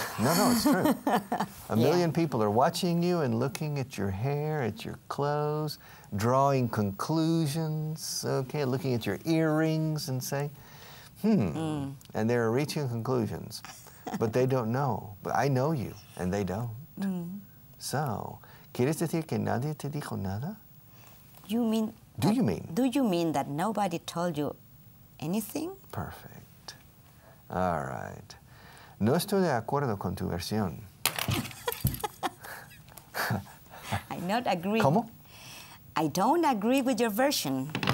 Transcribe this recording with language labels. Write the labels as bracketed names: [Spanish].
[English] No, it's true. A million people are watching you and looking at your hair, at your clothes, drawing conclusions, okay, looking at your earrings and say, And they're reaching conclusions. But they don't know. But I know you, and they don't. Mm. [Spanish] So, ¿quieres decir que nadie te dijo nada? [English] You mean... Do you mean that nobody told you anything? Perfect. All right. [Spanish] No estoy de acuerdo con tu versión. [English] I not agree. [Spanish] ¿Cómo? [English] I don't agree with your version.